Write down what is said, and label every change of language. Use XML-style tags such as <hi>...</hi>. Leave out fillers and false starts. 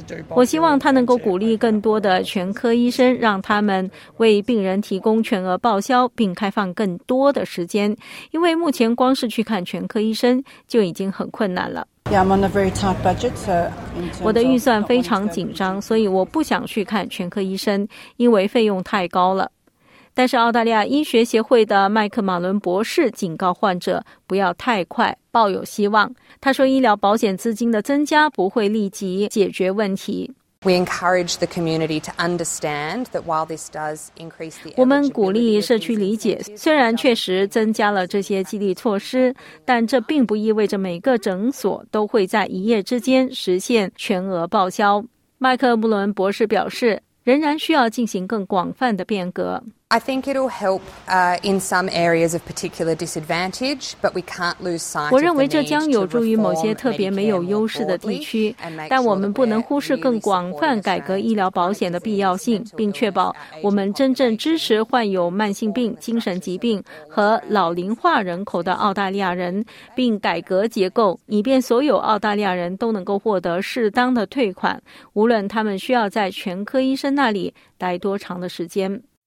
<zh>我希望他能够鼓励更多的全科医生，让他们为病人提供全额报销，并开放更多的时间，因为目前光是去看全科医生就已经很困难了。</zh> <en>Yeah, I'm on a very tight budget, so.</en> <zh>我的预算非常紧张，所以我不想去看全科医生，因为费用太高了。但是澳大利亚医学协会的麦克马伦博士警告患者不要太快抱有希望。他说医疗保险资金的增加不会立即解决问题。</zh> <en>We encourage the community to understand that while this does increase the</en> <zh>我们鼓励社区理解，虽然确实增加了这些激励措施，但这并不意味着每个诊所都会在一夜之间实现全额报销。麦克穆伦博士表示，仍然需要进行更广泛的变革。</zh> <en>I think it'll help in some areas of particular disadvantage, but we can't lose sight of the need.</en> <zh>我认为这将有助于某些特别没有优势的地区，但我们不能忽视更广泛改革医疗保险的必要性，并确保我们真正支持患有慢性病、精神疾病和老龄化人口的澳大利亚人，并改革结构，以便所有澳大利亚人都能够获得适当的退款，无论他们需要在全科医生那里待多长的时间。</zh>